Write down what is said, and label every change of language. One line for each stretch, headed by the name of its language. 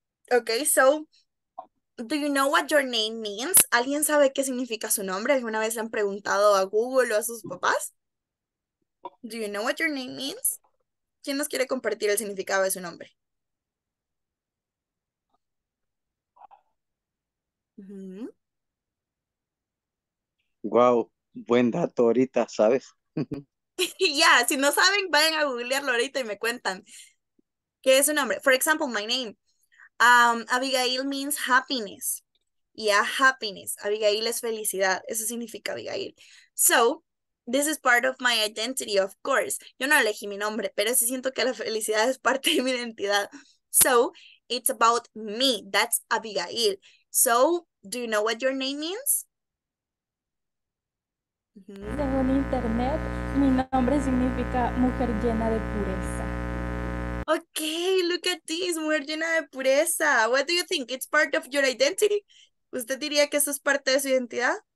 English: Okay, so, do you know what your name means?
Spanish: ¿Alguien sabe qué significa su nombre? ¿Alguna vez le han preguntado a Google o a sus papás?
English: Do you know what your name means?
Spanish: ¿Quién nos quiere compartir el significado de su nombre? Wow, buen dato ahorita, ¿sabes? Ya, si no saben, vayan a googlearlo ahorita y me cuentan qué es su nombre.
English: For example, my name. Abigail means happiness. Yeah, happiness.
Spanish: Abigail es felicidad. Eso significa Abigail.
English: So, this is part of my identity, of course.
Spanish: Yo no elegí mi nombre, pero sí siento que la felicidad es parte de mi identidad.
English: So, it's about me. That's Abigail. So, do you know what your name means?
Spanish: Según internet, mi nombre significa mujer llena de pureza.
English: Okay, look at this,
Spanish: mujer llena de pureza.
English: What do you think? It's part of your identity.
Spanish: ¿Usted diría que eso es parte de su identidad?